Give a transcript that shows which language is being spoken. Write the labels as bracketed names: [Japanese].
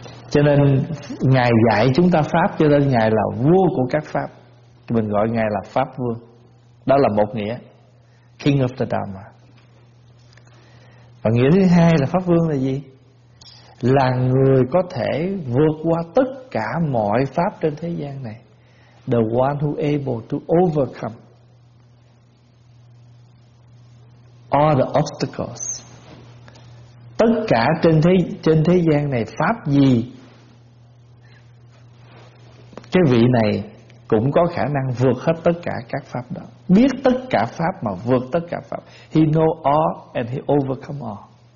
[Vietnamese] Cho nên Ngài dạy chúng ta Pháp, cho nên Ngài là vua của các Pháp. Mình gọi Ngài là Pháp Vương. Đó là một nghĩa, [English] King of the Dharma. [Vietnamese] Và nghĩa thứ hai là Pháp Vương là gì? Là người có thể vượt qua tất cả mọi pháp trên thế gian này [English] The one who able to overcome all the obstacles. [Vietnamese] Tất cả trên thế gian này pháp gì, cái vị này cũng có khả năng vượt hết tất cả các pháp đó. Biết tất cả pháp mà vượt tất cả pháp. [English] He know all and he overcome all.